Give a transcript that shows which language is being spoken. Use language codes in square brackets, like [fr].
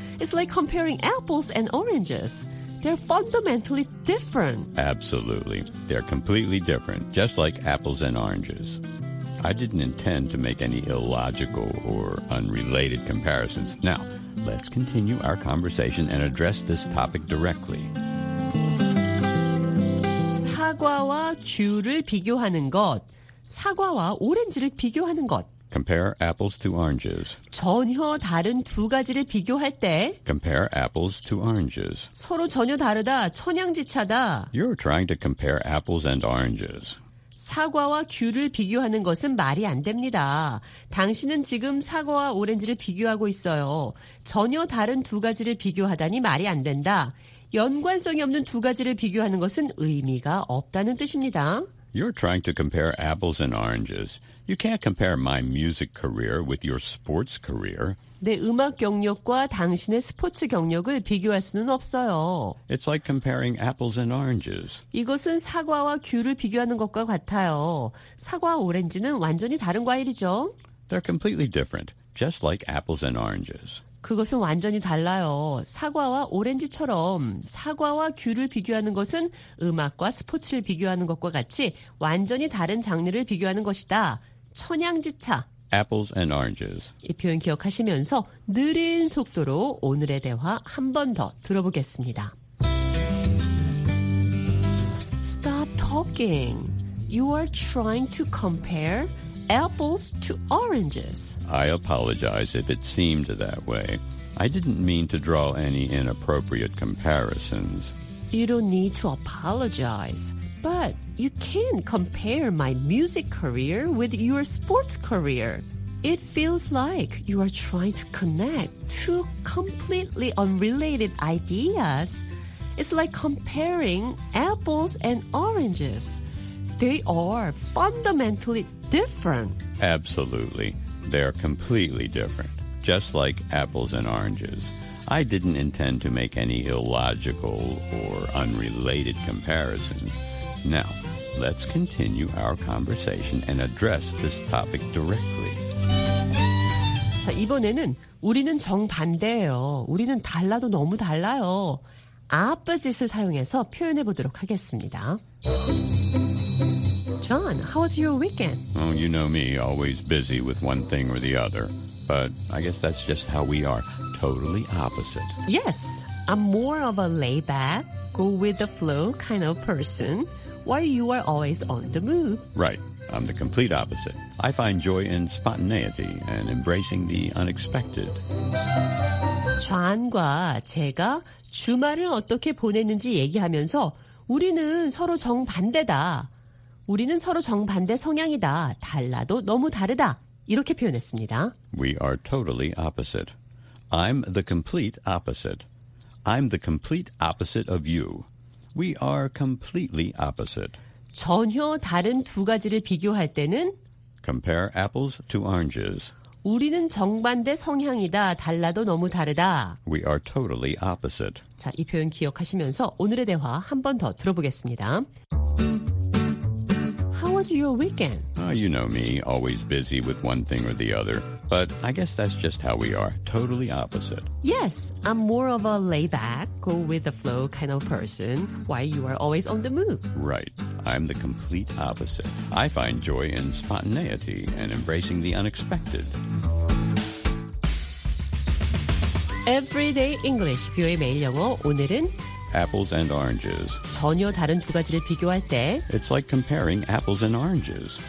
[en] It's like comparing apples and oranges. They're fundamentally different. Absolutely. They're completely different, just like apples and oranges. I didn't intend to make any illogical or unrelated comparisons. Now, let's continue our conversation and address this topic directly. [ko] 사과와 귤을 비교하는 것, 사과와 오렌지를 비교하는 것. [en] Compare apples to oranges. [ko] 전혀 다른 두 가지를 비교할 때. [en] Compare apples to oranges. [ko] 서로 전혀 다르다, 천양지차다. [en] You're trying to compare apples and oranges. [ko] 사과와 귤을 비교하는 것은 말이 안 됩니다. 당신은 지금 사과와 오렌지를 비교하고 있어요. 전혀 다른 두 가지를 비교하다니 말이 안 된다. 연관성이 없는 두 가지를 비교하는 것은 의미가 없다는 뜻입니다. [en] You're trying to compare apples and oranges. You can't compare my music career with your sports career. [ko] 내 음악 경력과 당신의 스포츠 경력을 비교할 수는 없어요. [en] It's like comparing apples and oranges. [ko] 이것은 사과와 귤을 비교하는 것과 같아요. 사과와 오렌지는 완전히 다른 과일이죠. [en] They're completely different. Just like apples and oranges. [ko] 그것은 완전히 달라요. 사과와 오렌지처럼 사과와 귤을 비교하는 것은 음악과 스포츠를 비교하는 것과 같이 완전히 다른 장르를 비교하는 것이다. 천양지차. [en] Apples and oranges. [ko] 이 표현 기억하시면서 느린 속도로 오늘의 대화 한 번 더 들어보겠습니다. [en] Stop talking. You are trying to compare apples to oranges. I apologize if it seemed that way. I didn't mean to draw any inappropriate comparisons. You don't need to apologize, but you can't compare my music career with your sports career. It feels like you are trying to connect two completely unrelated ideas. It's like comparing apples and oranges. They are fundamentally different. Absolutely. They are completely different. Just like apples and oranges. I didn't intend to make any illogical or unrelated comparisons. Now, let's continue our conversation and address this topic directly. [ko] 자, 이번에는 우리는 정반대예요. 우리는 달라도 너무 달라요. Opposite을 사용해서 표현해 보도록 하겠습니다. [en] John, how was your weekend? Oh, you know me, always busy with one thing or the other. But I guess that's just how we are, totally opposite. Yes, I'm more of a laid-back, go-with-the-flow kind of person, while you are always on the move. Right, I'm the complete opposite. I find joy in spontaneity and embracing the unexpected. [ko] John과 제가 주말을 어떻게 보냈는지 얘기하면서 우리는 서로 정반대다. 우리는 서로 정반대 성향이다. 달라도 너무 다르다. 이렇게 표현했습니다. [en] We are totally opposite. I'm the complete opposite. I'm the complete opposite of you. We are completely opposite. [ko] 전혀 다른 두 가지를 비교할 때는 [en] Compare apples to oranges. [ko] 우리는 정반대 성향이다. 달라도 너무 다르다. [en] We are totally opposite. [ko] 자, 이 표현 기억하시면서 오늘의 대화 한 번 더 들어보겠습니다. [en] How was your weekend? Oh, you know me, always busy with one thing or the other. But I guess that's just how we are, totally opposite. Yes, I'm more of a laid-back, go-with-the-flow kind of person, while you are always on the move. Right, I'm the complete opposite. I find joy in spontaneity and embracing the unexpected. [ko] Everyday English, 뷰의 매일 영어, 오늘은 [en] Apples and oranges. [ko] 전혀 다른 두 가지를 비교할 때 [en] It's like comparing apples and oranges.